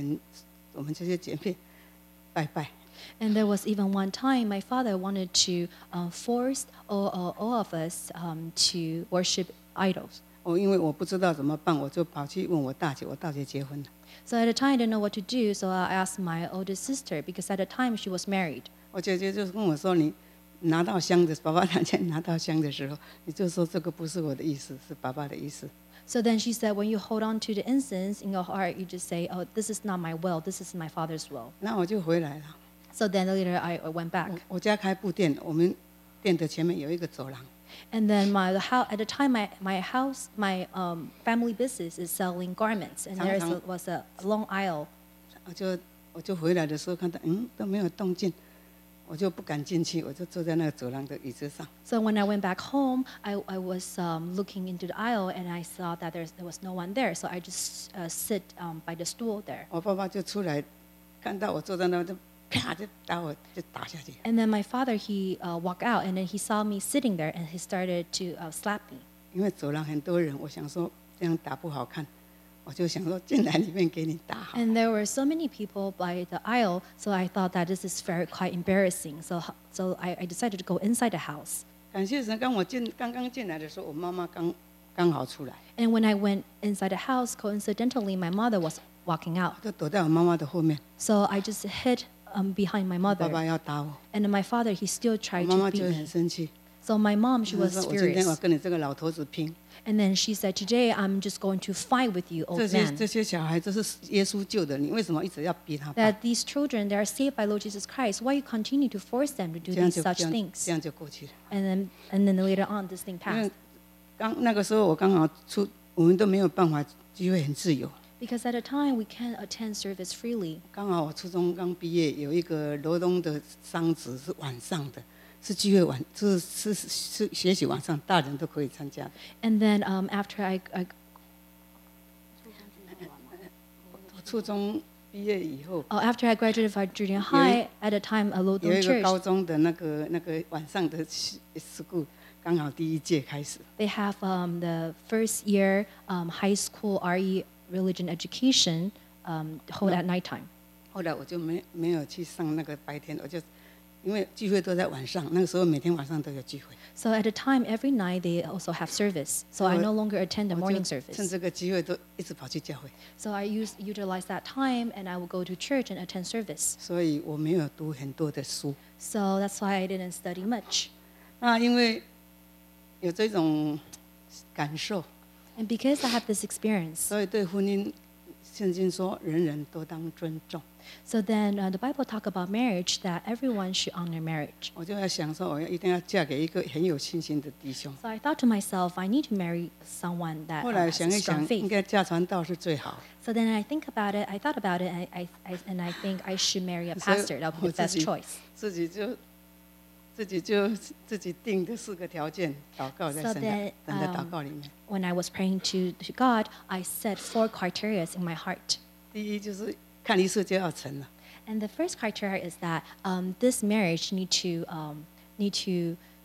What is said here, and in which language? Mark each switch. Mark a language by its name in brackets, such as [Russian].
[Chinese] 甚至有一次，我爸爸要逼我们这些姐妹拜拜。 [English] And there was even one time my father wanted to force all of us to worship idols. [Chinese] 因为我不知道怎么办，我就跑去问我大姐。我大姐结婚了。 [English] So at the time, I didn't know what to do, so I asked my oldest sister because at the time she was married. [Chinese] 我姐姐就跟我说：“你拿到香的，爸爸拿钱拿到香的时候，你就说这个不是我的意思，是爸爸的意思。” [English] So then she said, when you hold on to the incense in your heart, you just say, "Oh, this is not my will. This is my father's will." [Chinese] 那我就回来了。 [English] So then later, I went back. [Chinese] 我家开布店，我们店的前面有一个走廊。 [English] And then at the time, my house, my family business is selling garments, and there was a long aisle. [Chinese] 我就回来的时候看到，都没有动静。我就不敢进去，我就坐在那个走廊的椅子上。 [English] So when I went back home, I was looking into the aisle and I saw that there was no one there. So I just sit by the stool there. [Chinese] 我爸爸就出来，看到我坐在那边，啪就打我，就打下去。 [English] And then my father he walked out and then he saw me sitting there and he started to slap me. [Chinese] 因为走廊很多人，我想说这样打不好看。我就想说进来里面给你打好。 [English] And there were so many people by the aisle, so I thought that this is very quite embarrassing. So I decided to go inside the house. [Chinese] 感谢神，刚刚进来的时候，我妈妈刚好出来。 [English] And when I went inside the house, coincidentally, my mother was walking out. [Chinese] 就躲在我妈妈的后面。 [English] So I just hid behind my mother. [Chinese] 爸爸要打我。 [English] And my father, he still tried to beat me. [Chinese] 妈妈就很生气。 [English] So my mom, she was furious. [Chinese] 我今天我跟你这个老头子拼。 [English] And then she said, "Today I'm just going to fight with you, old man." [Chinese] 这些小孩，这是耶稣救的，你为什么一直要逼他？ [English] That these children, they are saved by Lord Jesus Christ. Why you continue to force them to do these such things? [Chinese] 这样就过去了。 [English] And then later on, this thing passed. [Chinese] 那个时候我刚好出，我们都没有办法，机会很自由。 Because at a time we can't attend service freely. 刚好我初中刚毕业，有一个罗东的商职是晚上的。是机会晚，就是是是学习晚上，大人都可以参加。 [English] And then after I [Chinese] 初中毕业以后。 [English] Oh, after I graduated from junior high, at a time a local church. [Chinese] 有一个高中的那个晚上的 school， 刚好第一届开始。 [English] They have the first year high school RE religion education hold at night time. [Chinese] 后来我就没有去上那个白天，我就。因为聚会都在晚上，那个时候每天晚上都有聚会。 [English] So at a time every night they also have service. So I no longer attend the morning service. [Chinese] 趁这个机会都一直跑去教会。 [English] So I utilize that time and I will go to church and attend service. [Chinese] 所以我没有读很多的书。 [English] So that's why I didn't study much. [Chinese] 那因为有这种感受。 [English] And because I have this experience. [Chinese] 所以对婚姻，圣经说人人都当尊重。 [English] So then the Bible talks about marriage that everyone should honor marriage. [Chinese] 我就要想说我一定要嫁给一个很有信心的弟兄。 [English] So I thought to myself, I need to marry someone that has strong faith. [Chinese] 应该嫁传道是最好。 [English] So then I think about it, I thought about it, and I think I should marry a pastor. That would be the best choice. [Chinese] 自己定的四个条件祷告在神的祷告里面。 [English] When I was praying to God, I set four criteria in my heart. [Chinese] 第一就是看一次就要成了。 [English] And the first criteria is that this marriage need to